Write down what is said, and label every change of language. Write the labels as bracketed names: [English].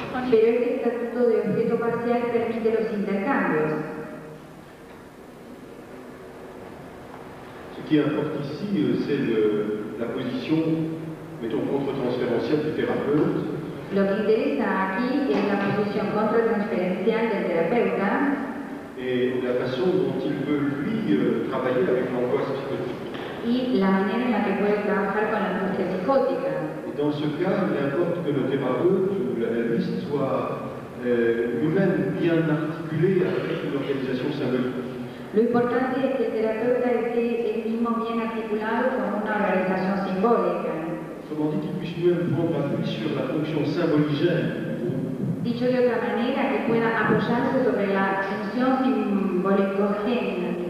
[Spanish] Pero este estatuto de objeto parcial permite los intercambios. [French] Ce qui importe ici, c'est la position, mettons, contre-transférentielle du thérapeute. [Spanish] Lo que interesa aquí es la posición contra-transferencial del terapeuta. [French] Et la façon dont il peut, lui, travailler avec l'angoisse psychotique. [Spanish] Y la manera en la que puede trabajar con la angustia psicótica. [French] Dans ce cas, il importe que le thérapeute ou l'analyste soit lui-même bien articulé avec une organisation symbolique. L'important est que le thérapeute ait été lui-même bien articulé avec une organisation symbolique. Autrement dit, qu'il puisse lui-même prendre appui sur la fonction symboligène. [Spanish] Dicho de otra manera, que pueda apoyarse sobre la función simbolicogénica.